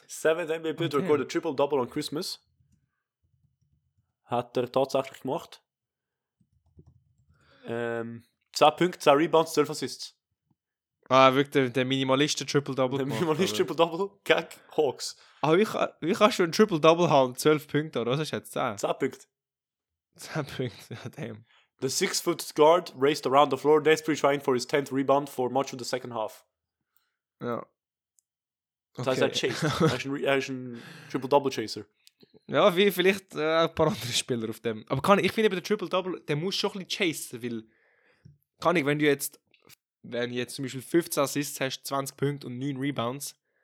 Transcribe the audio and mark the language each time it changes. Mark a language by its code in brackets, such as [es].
[en] 7th NBA Build Record, okay. Triple-Double on Christmas. [de] Hat er tatsächlich gemacht. 10 Punkte, 10 Rebounds, 12 Assists. Ah, wirklich der minimalistische Triple-Double. Der minimalistische Triple-Double gegen Hawks. Aber wie kannst du einen Triple-Double haben? 12 Punkte, oder was ist jetzt 10? 10 Punkte. 10 Punkte, ja, damn. [en] The 6-foot guard raced around the floor, desperately trying for his 10th rebound for much of the second half. [de] Ja. Okay. Das heißt, er ist ein Triple-Double-Chaser. Ja, wie vielleicht ein paar andere Spieler auf dem. Aber kann ich finde eben, der Triple-Double, der muss schon ein bisschen chasen, weil, kann ich, wenn du jetzt zum Beispiel 15 Assists hast, 20 Punkte und 9 Rebounds.